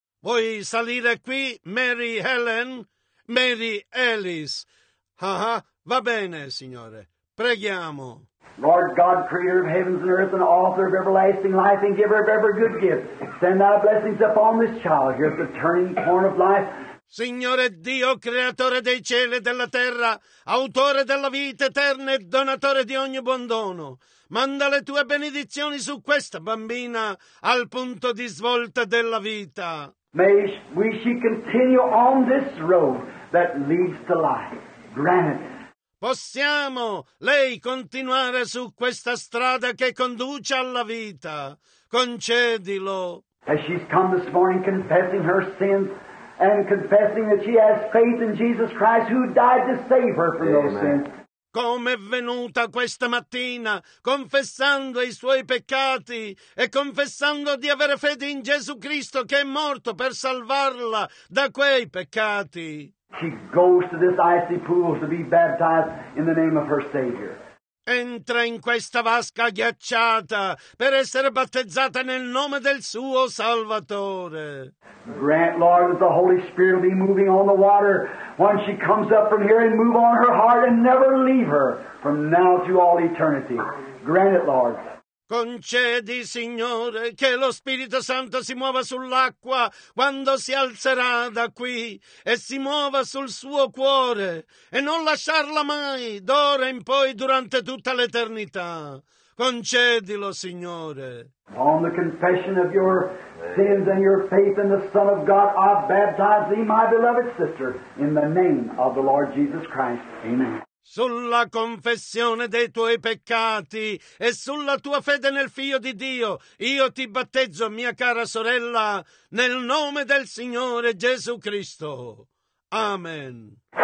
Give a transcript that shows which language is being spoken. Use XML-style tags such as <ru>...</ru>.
<it>Vuoi salire qui, Mary Helen? Mary Alice. Ah, va bene, Signore. Preghiamo.</it> <en>Lord God, creator of heavens and earth and author of everlasting life and giver of every good gift, send thy blessings upon this child here at the turning point of life.</en> <it>Signore Dio, creatore dei cieli e della terra, autore della vita eterna e donatore di ogni buon dono, manda le tue benedizioni su questa bambina al punto di svolta della vita.</it> <en>May we she continue on this road that leads to life. Grant it.</en> <it>Possiamo lei continuare su questa strada che conduce alla vita. Concedilo.</it> <en>As she's come this morning confessing her sins and confessing that she has faith in Jesus Christ who died to save her from those sins.</en> <it>Come è venuta questa mattina confessando i suoi peccati e confessando di avere fede in Gesù Cristo che è morto per salvarla da quei peccati.</it> <en>She goes to this icy pool to be baptized in the name of her Savior.</en> <it>Entra in questa vasca ghiacciata per essere battezzata nel nome del suo Salvatore.</it> <en>Grant, Lord, that the Holy Spirit will be moving on the water when she comes up from here and move on her heart and never leave her from now to all eternity. Grant it, Lord.</en> <it>Concedi, Signore, che lo Spirito Santo si muova sull'acqua quando si alzerà da qui e si muova sul suo cuore e non lasciarla mai, d'ora in poi, durante tutta l'eternità. Concedilo, Signore.</it> <en>On the confession of your sins and your faith in the Son of God, I baptize thee, my beloved sister, in the name of the Lord Jesus Christ. Amen.</en> <it>Sulla confessione dei tuoi peccati e sulla tua fede nel Figlio di Dio, io ti battezzo, mia cara sorella, nel nome del Signore Gesù Cristo. Amen.</it>